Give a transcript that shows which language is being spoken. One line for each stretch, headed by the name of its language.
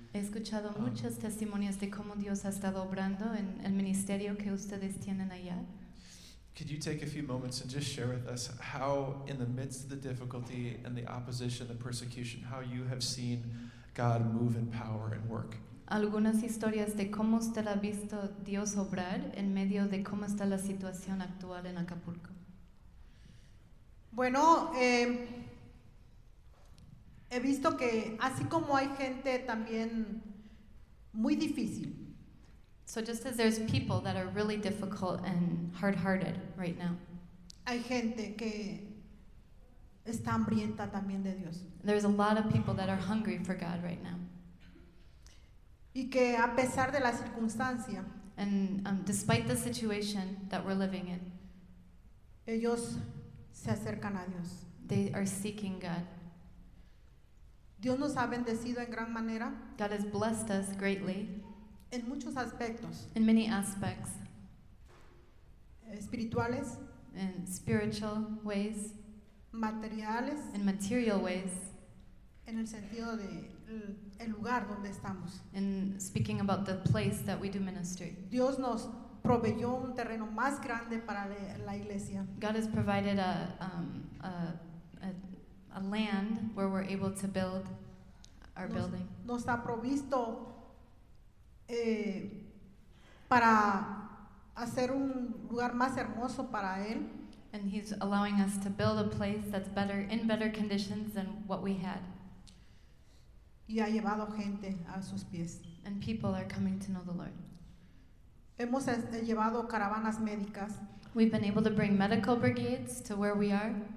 Spanish: He escuchado muchos testimonios de cómo Dios ha estado obrando en el ministerio que ustedes tienen allá.
English: Could you take a few moments and just share with us how, in the midst of the difficulty and the opposition, the persecution, how you have seen God move in power and work?
Spanish: Algunas historias de cómo usted ha visto Dios obrar en medio de cómo está la situación actual en Acapulco. Bueno, he visto que así como hay gente también muy difícil.
English: So just as there's people that are really difficult and hard-hearted right now.
Spanish: Hay gente que está hambrienta también de Dios.
English: There's a lot of people that are hungry for God right now.
Spanish: Y que a pesar de la circunstancia,
English: and despite the situation that we're living in,
Spanish: ellos se acercan a Dios.
English: They are seeking God.
Spanish: Dios nos ha bendecido en gran manera.
English: God has blessed us greatly.
Spanish: En muchos aspectos.
English: In many aspects.
Spanish: Espirituales.
English: In spiritual ways.
Spanish: Materiales.
English: In material ways.
Spanish: En el sentido de el lugar donde estamos.
English: In speaking about the place that we do ministry.
Spanish: Dios nos proveyó un terreno más grande para la iglesia.
English: God has provided a land where we're able to build our building.
Spanish: Nos ha provisto para hacer un lugar más hermoso para él.
English: And he's allowing us to build a place that's better, in better conditions than what we had.
Spanish: Y ha llevado gente a sus pies.
English: And people are coming to know the Lord.
Spanish: Hemos llevado caravanas médicas.
English: We've been able to bring medical brigades to where we are.